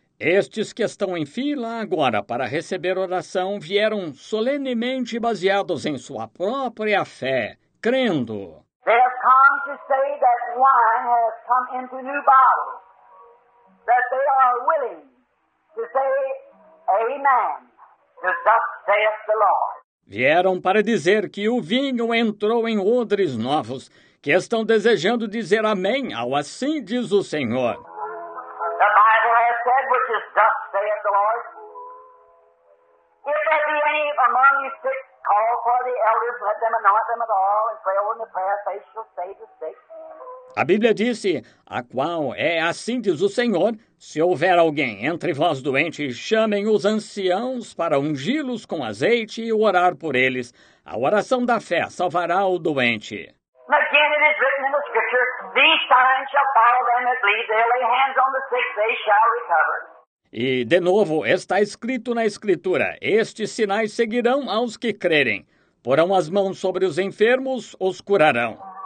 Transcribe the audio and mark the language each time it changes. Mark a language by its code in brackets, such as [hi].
[pt] Estes que estão em fila agora para receber oração vieram solenemente baseados em sua própria fé, crendo. [en] They have come to say that wine has come into new bottles. That they are willing to say, Amen. For thus saith the Lord. [pt] Vieram para dizer que o vinho entrou em odres novos, que estão desejando dizer amém ao assim diz o Senhor. [en] The Bible has said, which is thus saith the Lord, if there be any among you sick, call for the elders, let them anoint them at all, and pray over in the prayer, they shall save the sick. [pt] A Bíblia disse, a qual é assim diz o Senhor, se houver alguém entre vós doente, chamem os anciãos para ungí-los com azeite e orar por eles. A oração da fé salvará o doente. [en] Again it is written in the scriptures, these signs shall follow them that believe, they lay hands on the sick, they shall recover. [pt] E de novo está escrito na escritura, estes sinais seguirão aos que crerem, porão as mãos sobre os enfermos, os curarão.